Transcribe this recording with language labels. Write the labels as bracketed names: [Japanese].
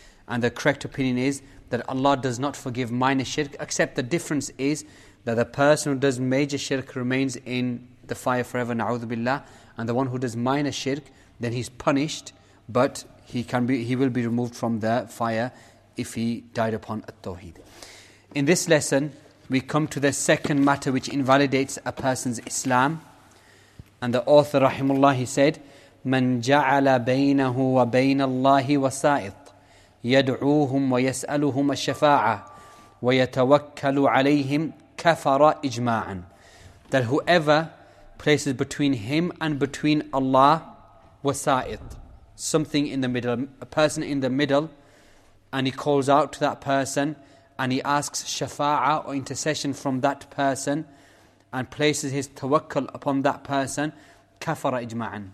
[English] And the correct opinion is that Allah does not forgive minor shirk, except the difference is that the person who does major shirk remains in the fire forever, na'udhu billah, and the one who does minor shirk, then he's punished, but he will be removed from the fire if he died upon at-tawheed. In this lesson, we come to the second matter which invalidates a person's Islam. And the author, rahimullah, he said, [Arabic] مَنْ جَعَلَ بَيْنَهُ وَبَيْنَ اللَّهِ وَسَائِطٌ يَدْعُوهُمْ وَيَسْأَلُهُمَ الشَّفَاعَةَ وَيَتَوَكَّلُ عَلَيْهِمْ كَفَرَ إِجْمَاعًا. [English] That whoever places between him and between Allah wasa'it, something in the middle, a person in the middle, and he calls out to that person and he asks shafa'ah or intercession from that person and places his tawakkul upon that person, kafara ijma'an.